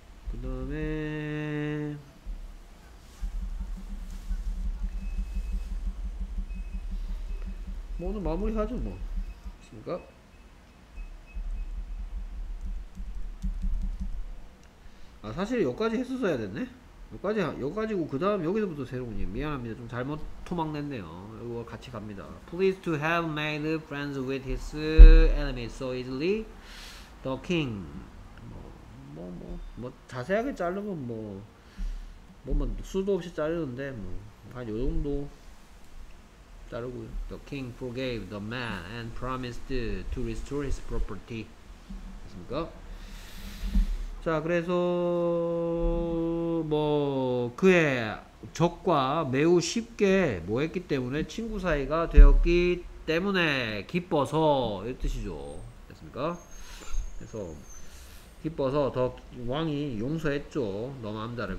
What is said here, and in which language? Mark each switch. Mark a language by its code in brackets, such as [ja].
[ko] 그 다음에 뭐 오늘 마무리하죠 뭐. 있습니까? 아 사실 여기까지 했었어야 됐네. 여기까지고 그 다음 여기서부터 새로운 얘기. 미안합니다. 좀 잘못 토막냈네요. 이거 같이 갑니다. [en] Please to have made friends with his enemies so easily, the king. [ko] 뭐 자세하게 자르면 뭐 수도 없이 자르는데 뭐 한 요 정도 자르고요. [en] The king forgave the man and promised to restore his property. [ko] 됐습니까? 자 그래서 뭐 그의 적과 매우 쉽게 뭐 했기 때문에 친구 사이가 되었기 때문에 기뻐서 이 뜻이죠. 됐습니까? 그래서 기뻐서 더 왕이 용서했죠. 너 남자를.